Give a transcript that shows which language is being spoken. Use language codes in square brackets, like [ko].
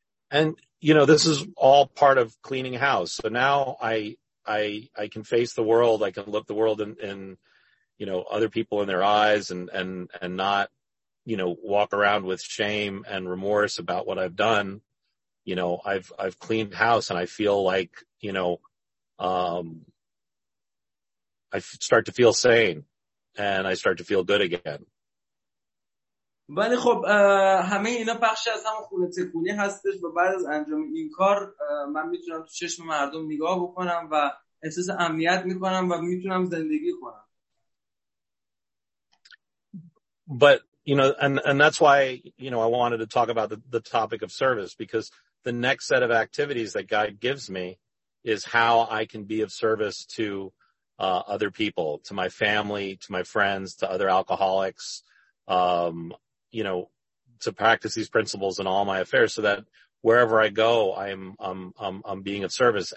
[en] And you know this is all part of cleaning house. So now I can face the world, I can look the world in you know other people in their eyes and not you know walk around with shame and remorse about what I've done. You know, I've cleaned house and I feel like, you know, I start to feel sane and I start to feel good again. [fa] ولی خب همه اینا بخشی از همون خونه تکونی هستش و بعد از انجام این کار من میتونم تو چشم مردم نگاه بکنم و احساس امنیت میکنم و میتونم زندگی کنم. [en] But, you know, and that's why, you know, I wanted to talk about the topic of service because the next set of activities that God gives me is how I can be of service to other people, to my family, to my friends, to other alcoholics, you know, to practice these principles in all my affairs so that wherever I go, I'm being of service.